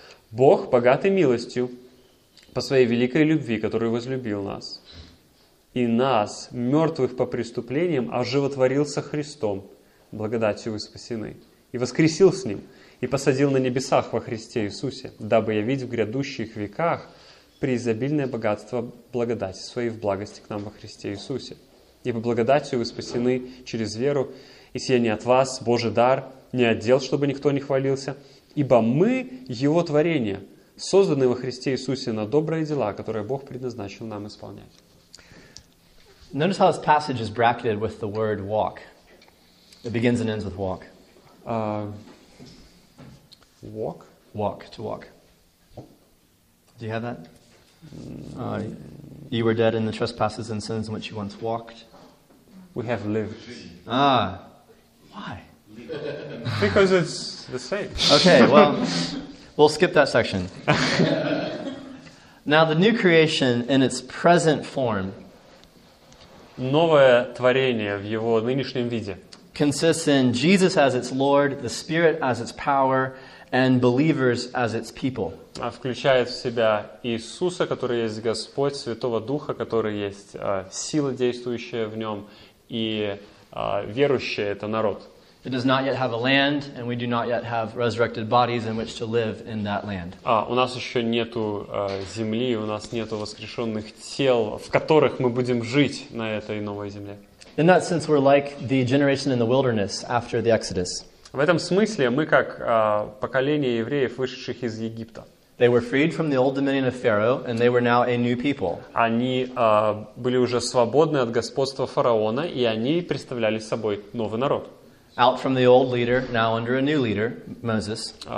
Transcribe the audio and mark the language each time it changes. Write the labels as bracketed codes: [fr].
[ru] Бог, богатый милостью, по своей великой любви, которую возлюбил нас, и нас, мертвых по преступлениям, оживотворился Христом, благодатью вы спасены, и воскресил с Ним, и посадил на небесах во Христе Иисусе, дабы явить в грядущих веках преизобильное богатство благодати своей в благости к нам во Христе Иисусе. Ибо благодатью вы спасены через веру, и сие не от вас, Божий дар, не отдел, чтобы никто не хвалился, ибо мы Его творение, созданы во Христе Иисусе на добрые дела, которые Бог предназначил нам исполнять. [en] Notice how this passage is bracketed with the word walk. It begins and ends with walk. Walk? Walk, to walk. Do you have that? You were dead in the trespasses and sins in which you once walked. We have lived. Why? Because it's the same. Okay, well, we'll skip that section. Now, the new creation in its present form. [ru] Новое творение в его нынешнем виде. [en] Consists in Jesus as its Lord, the Spirit as its power, and believers as its people. [ru] Включает в себя Иисуса, который есть Господь, Святого Духа, который есть сила, действующая в нем, и верующие — это народ. [en] It does not yet have a land, and we do not yet have resurrected bodies in which to live in that land. [ru] У нас еще нету земли, у нас нету воскрешенных тел, в которых мы будем жить на этой новой земле. [en] In that sense, we're like the generation in the wilderness after the Exodus. [ru] В этом смысле мы как поколение евреев, вышедших из Египта. [en] They were freed from the old dominion of Pharaoh, and they were now a new people. [ru] Они были уже свободны от господства фараона, и они представляли собой новый народ. [en] Out from the old leader, now under a new leader, Moses.